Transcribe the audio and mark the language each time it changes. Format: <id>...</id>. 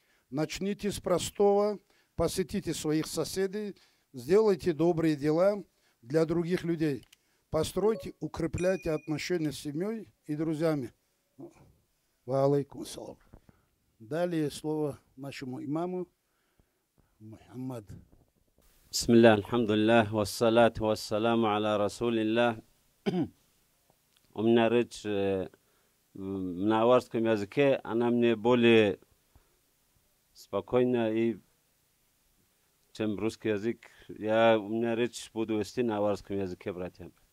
<ru>Начните с простого, посетите своих соседей, сделайте добрые дела для других людей. Постройте, укрепляйте отношения с семьей и друзьями. Ва алейкум салам. Далее слово нашему имаму.</ru> <ar>محمد. بسم الله الحمد لله والصلاة والسلام على رسول الله.</ar> <ru>У меня речь на аварском языке, она мне более спокойна, и чем русский язык. Я у меня речь буду вести на аварском языке, братья.</ru>